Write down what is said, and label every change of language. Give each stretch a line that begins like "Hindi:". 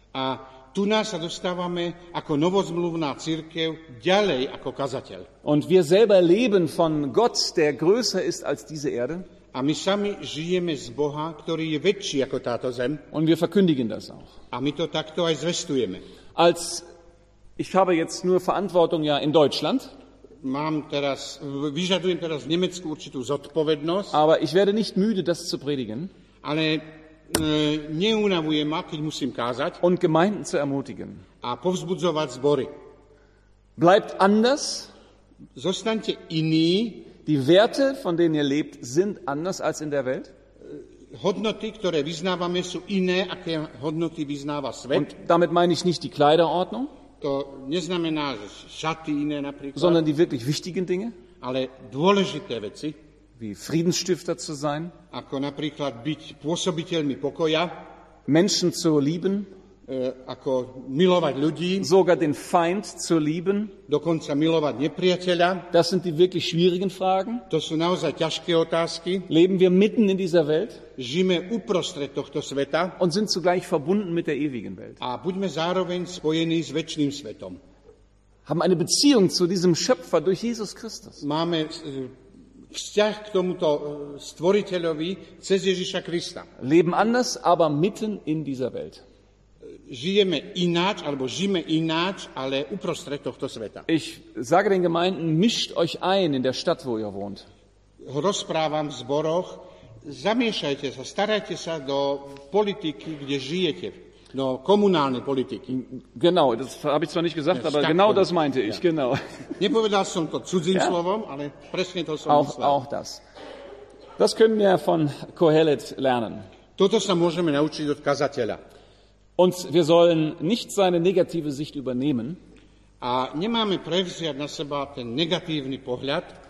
Slovak: A tu nás sa dostávame ako novozmluvná cirkev ďalej ako kazateľ.
German: Und wir selber leben von Gott, der größer ist als diese Erde.
Slovak: A my sami žijeme z Boha, ktorý je väčší ako táto zem.
German: Und wir verkündigen das auch.
Slovak: A my to takto aj zvestujeme.
German: Als ich habe jetzt nur Verantwortung ja in Deutschland.
Slovak: Mám teraz, vyžadujem teraz v Nemecku určitú zodpovednosť.
German: Aber ich werde nicht müde, das zu predigen.
Slovak: Ale neunavuje ma, keď musím kázať.
German: Und Gemeinden zu ermutigen.
Slovak: A povzbudzovať zbory.
German: Bleibt anders.
Slovak: Zostaňte iní.
German: Die Werte, von denen ihr lebt, sind anders als in der Welt.
Slovak: Hodnoty, ktoré vyznávame, sú iné, aké hodnoty vyznáva svet.
German: Und damit meine ich nicht die Kleiderordnung.
Slovak: To neznamená, že šaty iné napríklad.
German: Sondern die wirklich wichtigen Dinge.
Slovak: Ale dôležité veci.
German: Wie Friedensstifter zu sein.
Slovak: Ako napríklad byť pôsobiteľmi pokoja.
German: Menschen zu lieben.
Slovak: ako milovať ľudí,
German: sogar den Feind zu lieben,
Slovak: dokonca milovať nepriateľa.
German: Das sind die wirklich schwierigen Fragen.
Slovak: To sú naozaj ťažké otázky.
German: Leben wir mitten in dieser Welt?
Slovak: Žijeme uprostred tohto sveta.
German: Und sind zugleich verbunden mit der ewigen Welt.
Slovak: A buďme zároveň spojení s večným svetom.
German: Haben eine Beziehung zu diesem Schöpfer durch Jesus Christus.
Slovak: Máme vzťah k tomuto stvoriteľovi cez Ježiša Krista.
German: Leben anders, aber mitten in dieser Welt.
Slovak: Žijeme ináč, alebo žijeme ináč, ale uprostred tohto sveta.
German: Ich sage den Gemeinden, mischt euch ein in der Stadt, wo ihr wohnt.
Slovak: Rozprávam v zboroch, zamiešajte sa, starajte sa do politiky, kde žijete. No, komunálne politiky.
German: Genau, das habe ich zwar nicht gesagt, aber genau das meinte ich, genau.
Slovak: Nepovedal som to cudzým slovom, ale presne to som
German: auch,
Slovak: myslel.
German: Auch das. Das können wir von Kohelet lernen.
Slovak: Toto sa môžeme naučiť od kazateľa.
German: Und wir sollen nicht seine negative Sicht übernehmen.
Slovak: A nemáme prevziať na seba ten negatívny pohľad.